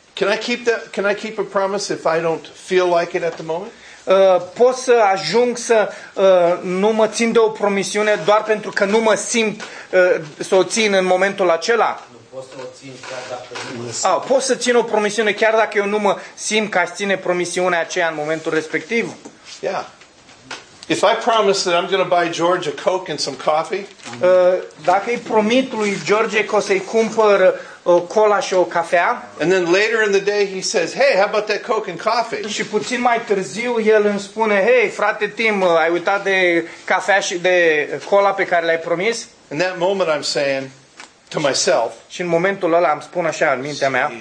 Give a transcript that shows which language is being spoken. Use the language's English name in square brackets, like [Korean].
[English] Can I keep a promise if I don't feel like it at the moment? [Romanian] Pot să ajung să nu mă țin de o promisiune doar pentru că nu mă simt să o țin în momentul acela? Pot să țin o promisiune chiar dacă eu nu mă simt că aș ține promisiunea aceea în momentul respectiv? [English] Yeah. If I promise that I'm going to buy George a Coke and some coffee? [Romanian] Dacă îi promit lui George că o să-i cumpăr o cola și o cafea. [English] And then later in the day he says, "Hey, how about that Coke and coffee?" [Romanian] Și puțin mai târziu el îmi spune, "Hey, frate Tim, ai uitat de cafea și de cola pe care le-ai promis?" [English] In that moment I'm saying to myself. [Romanian] Și în momentul ăla am spun așa în mintea mea.